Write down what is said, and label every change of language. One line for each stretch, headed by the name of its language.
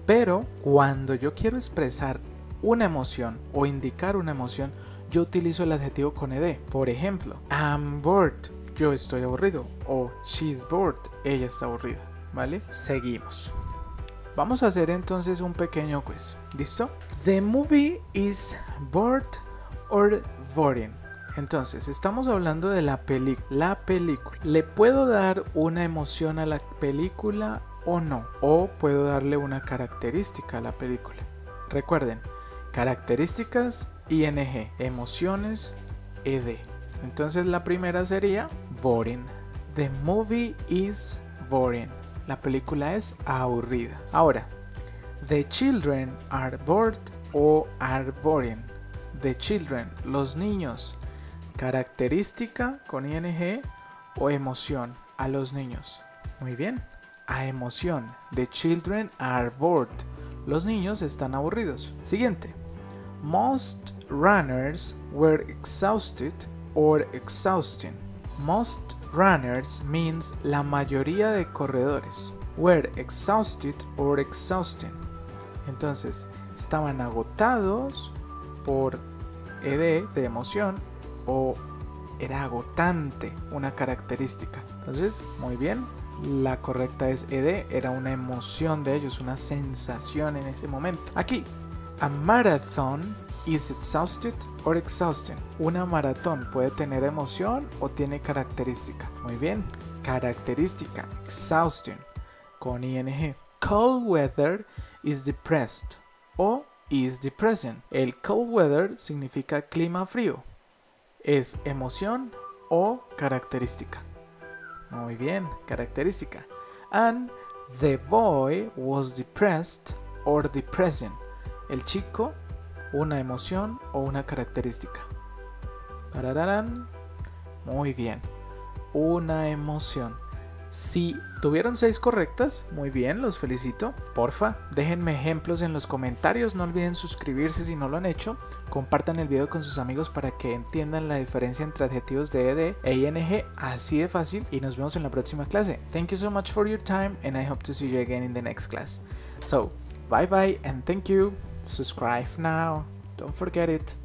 Spanish: Pero cuando yo quiero expresar una emoción o indicar una emoción, yo utilizo el adjetivo con ed. Por ejemplo,
English: I'm bored,
Spanish: yo estoy aburrido, o
English: she's bored,
Spanish: ella está aburrida, ¿vale? Seguimos. Vamos a hacer entonces un pequeño quiz, ¿listo?
English: The movie is bored or boring.
Spanish: Entonces, estamos hablando de la película. ¿Le puedo dar una emoción a la película o no? ¿O puedo darle una característica a la película? Recuerden, características, ing, emociones, ed. Entonces la primera sería boring.
English: The movie is boring.
Spanish: La película es aburrida. Ahora,
English: the children are bored o are boring. The children,
Spanish: los niños. Característica con ing o emoción a los niños. Muy bien, a emoción.
English: The children are bored.
Spanish: Los niños están aburridos. Siguiente.
English: Most runners were exhausted or exhausting. Most runners means
Spanish: la mayoría de corredores.
English: Were exhausted or exhausting.
Spanish: Entonces, estaban agotados por ed de emoción o era agotante una característica. Entonces, muy bien, la correcta es ed, era una emoción de ellos, una sensación en ese momento. Aquí,
English: a marathon is exhausted or exhausting.
Spanish: Una maratón puede tener emoción o tiene característica. Muy bien, característica, exhausting, con ing.
English: Cold weather is depressed o is depressing.
Spanish: El
English: cold weather
Spanish: significa clima frío. ¿Es emoción o característica? Muy bien, característica.
English: And the boy was depressed or depressing.
Spanish: El chico, una emoción o una característica. Tarararán. Muy bien. Una emoción. Si tuvieron 6 correctas, muy bien, los felicito. Porfa, déjenme ejemplos en los comentarios. No olviden suscribirse si no lo han hecho. Compartan el video con sus amigos para que entiendan la diferencia entre adjetivos de ed e ing. Así de fácil. Y nos vemos en la próxima clase.
English: Thank you so much for your time and I hope to see you again in the next class. So, bye bye and thank you. Subscribe now. Don't forget it.